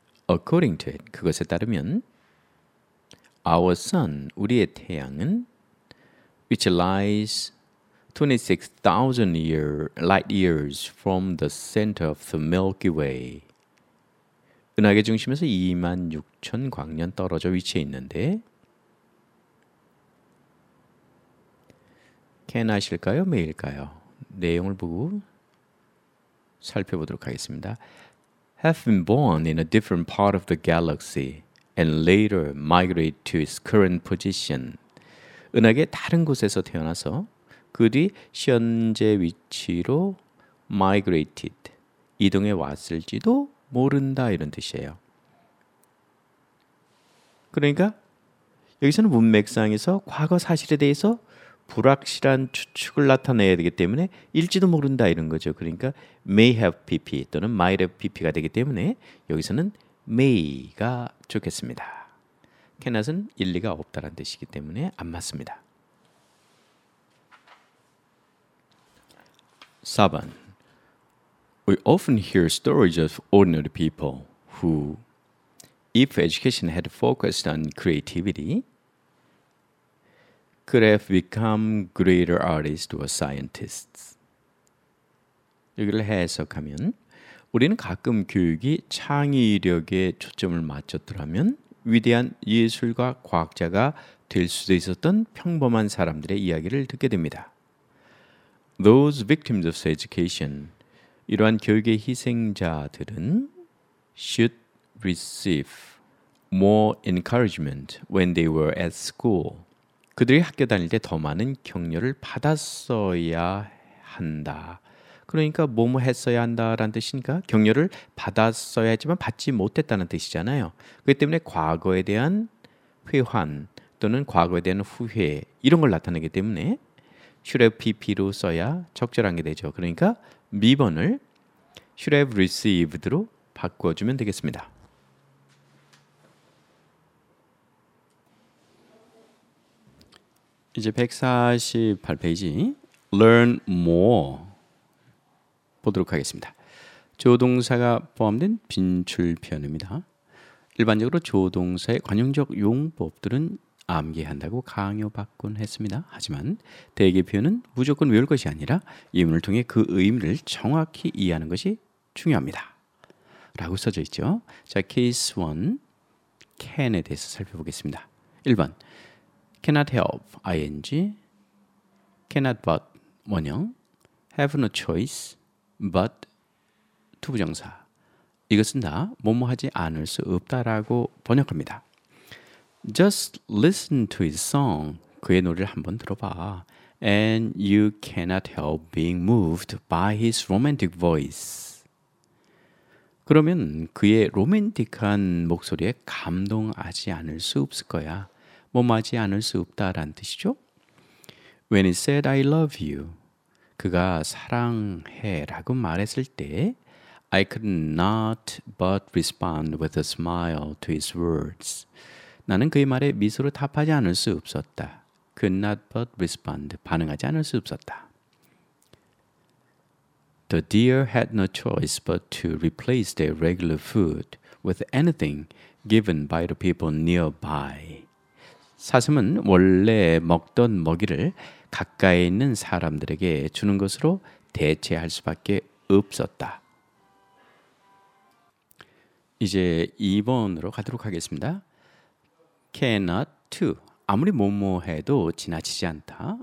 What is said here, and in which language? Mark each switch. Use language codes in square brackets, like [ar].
[en] According to it, [ko] 그것에 따르면 [en] Our sun, [ko] 우리의 태양은 [en] which lies 26,000 light years from the center of the Milky Way [ko] 은하계 중심에서 26,000 광년 떨어져 위치해 있는데 [en] can 하실까요? may일까요? [ko] 내용을 보고 살펴보도록 하겠습니다. [en] have been born in a different part of the galaxy and later migrate to its current position. [ko] 은하계 다른 곳에서 태어나서 그 뒤 현재 위치로 migrated, 이동해 왔을지도 모른다 이런 뜻이에요. 그러니까 여기서는 문맥상에서 과거 사실에 대해서 불확실한 추측을 나타내야 되기 때문에 일지도 모른다 이런 거죠. 그러니까 may have pp 또는 might have pp가 되기 때문에 여기서는 may가 좋겠습니다. cannot은 일리가 없다라는 뜻이기 때문에 안 맞습니다. [en] 4번 We often hear stories of ordinary people who, if education had focused on creativity, could have become greater artists or scientists. [ko] 여기를 해석하면 우리는 가끔 교육이 창의력에 초점을 맞췄더라면 위대한 예술가, 과학자가 될 수도 있었던 평범한 사람들의 이야기를 듣게 됩니다. [en] Those victims of education, [ko] 이러한 교육의 희생자들은 [en] should receive more encouragement when they were at school. [ko] 그들이 학교 다닐 때 더 많은 격려를 받았어야 한다. 그러니까 뭐뭐 했어야 한다라는 뜻이니까 격려를 받았어야 했지만 받지 못했다는 뜻이잖아요. 그렇기 때문에 과거에 대한 회한 또는 과거에 대한 후회 이런 걸 나타내기 때문에 should have pp로 써야 적절한 게 되죠. 그러니까 미번을 [en] should have received [ko] 로 바꿔주면 되겠습니다. 이제 148페이지 learn more 보도록 하겠습니다. 조동사가 포함된 빈출편입니다. 일반적으로 조동사의 관용적 용법들은 암기한다고 강요받곤 했습니다. 하지만 대개 표현은 무조건 외울 것이 아니라 예문을 통해 그 의미를 정확히 이해하는 것이 중요합니다. 라고 써져 있죠. 자, 케이스 1, can에 대해서 살펴보겠습니다. 1번, cannot help, ing, cannot but, 원형, have no choice, but, 투부정사. 이것은 다 뭐뭐 하지 않을 수 없다라고 번역합니다. [en] Just listen to his song, [ko] 그의 노래를 한번 들어봐. [en] And you cannot help being moved by his romantic voice. [ko] 그러면 그의 로맨틱한 목소리에 감동하지 않을 수 없을 거야. 뭐뭐하지 않을 수 없다라는 뜻이죠. [en] When he said I love you, [ko] 그가 사랑해 라고 말했을 때 [en] I could not but respond with a smile to his words. [ko] 나는 그의 말에 미소로 답하지 않을 수 없었다. [en] Could not but respond. [ko] 반응하지 않을 수 없었다. [en] The deer had no choice but to replace their regular food with anything given by the people nearby. [ko] 사슴은 원래 먹던 먹이를 가까이 있는 사람들에게 주는 것으로 대체할 수밖에 없었다. 이제 2번으로 가도록 하겠습니다. Cannot to 아무리 뭐뭐 해도 지나치지 않다.